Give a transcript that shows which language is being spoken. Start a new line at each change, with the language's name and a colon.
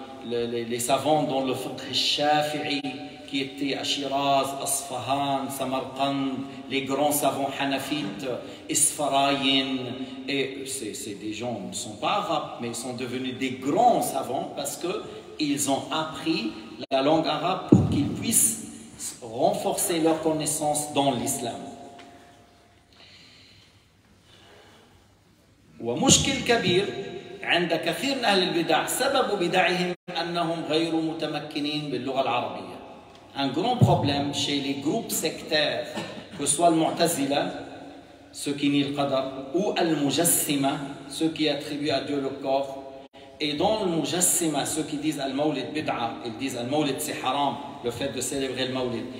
French: les savants dans le fiqh al-Shafi'i qui étaient à Shiraz, Asfahan, Samarkand, les grands savants hanafites, Isfarayin, et c'est des gens qui ne sont pas arabes, mais ils sont devenus des grands savants parce qu'ils ont appris la langue arabe pour qu'ils puissent renforcer leur connaissance dans l'islam.
Arabic: ومشكل كبير عند كثير من أهل البدع، سبب بدعهم أنهم غير متمكنين باللغة العربية.
French: Un grand problème chez les groupes sectaires, que ce soit المعتزلة, ceux qui nient le qadar, ou المجسمة, ceux qui attribuent à Dieu le corps. Et dans المجسمة, ceux qui disent
Arabic: المولد بدعة,
French: ils disent المولد c'est haram, le fait de célébrer le مولد.